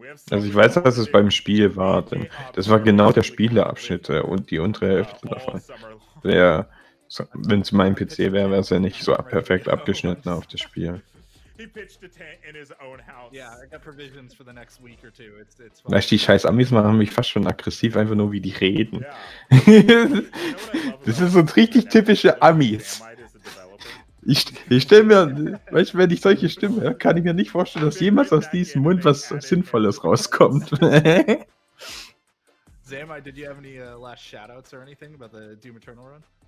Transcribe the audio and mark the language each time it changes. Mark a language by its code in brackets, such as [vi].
[de] Also ich weiß, dass es beim Spiel war, denn das war genau der Spieleabschnitt und die untere Hälfte davon. Der, wenn es mein PC wäre, wäre es ja nicht so perfekt abgeschnitten auf das Spiel. [en] He pitched a tent in his own house. Yeah, I got provisions for the next week or two. It's fine. [de] Weißt du, die scheiß Amis machen mich fast schon aggressiv, einfach nur wie die reden. Yeah. Das ist so richtig typische Amis. Ich stell mir, weißt du, wenn ich solche Stimme höre, kann ich mir nicht vorstellen, dass jemals aus diesem Mund was Sinnvolles rauskommt. [en] Sam, did you have any last shoutouts or anything about the Doom Eternal run?